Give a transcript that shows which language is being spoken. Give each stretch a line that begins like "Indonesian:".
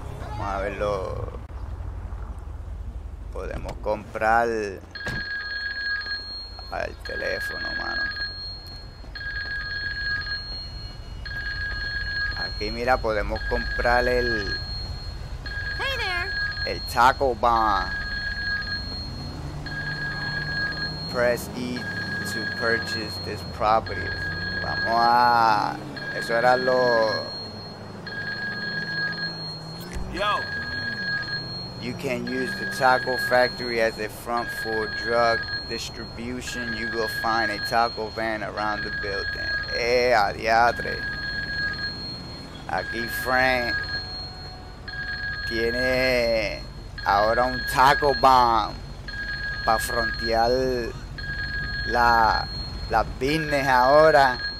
Spanish: Vamos a verlo. Podemos comprar al teléfono, mano. Aquí, mira, podemos comprar el taco bar.
English: press E to purchase this property.
Spanish: Vamos a... Eso era lo... Yo!
English: You can use the taco factory as a front for drug distribution. You will find a taco van around the building.
Spanish: ¡Ea, diatre! Aquí Frank tiene ahora un taco bomb para frontear la business ahora.